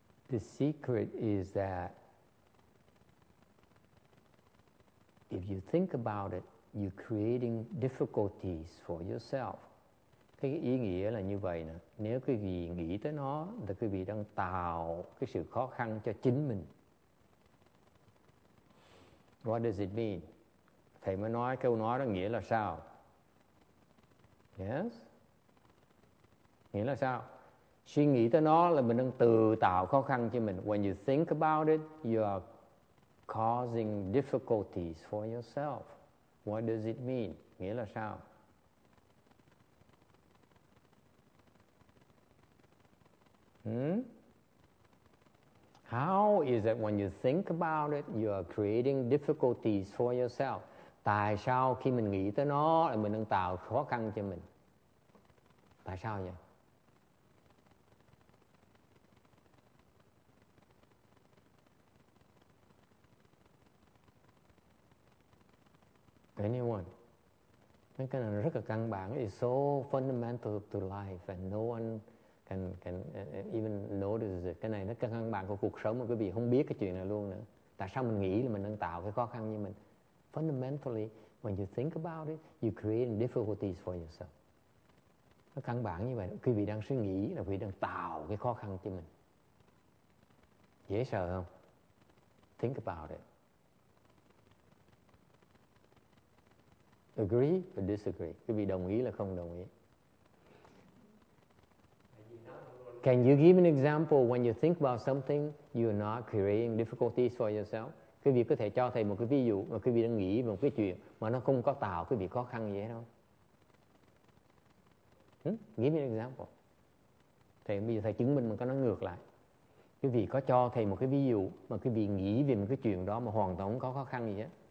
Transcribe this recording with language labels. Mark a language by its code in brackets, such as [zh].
[en] The secret is that if you think about it, you're creating difficulties for yourself. [vi] Cái ý nghĩa là như vậy nè. Nếu quý vị nghĩ tới nó, thì quý vị đang tạo cái sự khó khăn cho chính mình. [en] What does it mean? [vi] Thầy mới nói câu nói đó nghĩa là sao? Yes? Nghĩa là sao? Suy nghĩ tới nó là mình đang tự tạo khó khăn cho mình. [en] When you think about it, you are causing difficulties for yourself. What does it mean? [vi] Nghĩa là sao? [en] How is it when you think about it, you are creating difficulties for yourself? [vi] Tại sao khi mình nghĩ tới nó là mình đang tạo khó khăn cho mình? Tại sao vậy? [en] Anyone? [vi] Cái này rất là căn bản. [en] It's so fundamental to life and no one can even notice it. [vi] Cái này nó căn bản của cuộc sống mà quý vị không biết cái chuyện này luôn nữa. Tại sao mình nghĩ là mình đang tạo cái khó khăn như mình? [en] Fundamentally, when you think about it, you create difficulties for yourself. [vi] Nó căn bản như vậy. Quý vị đang suy nghĩ là quý vị đang tạo cái khó khăn cho mình. Dễ sợ không? [en] Think about it. Agree or disagree? [vi] Quý vị đồng ý là không đồng ý? [en] Can you give an example when you think about something, you are not creating difficulties for yourself? [vi] Quý vị có thể cho thầy một cái ví dụ mà quý vị đang nghĩ về một cái chuyện mà nó không có tạo quý vị khó khăn gì hết không? [en] Give me an example. [vi] Thầy bây giờ thầy chứng minh mà có nói ngược lại. Quý vị có cho thầy một cái ví dụ mà quý vị nghĩ về một cái chuyện đó mà hoàn toàn không có khó khăn gì hết?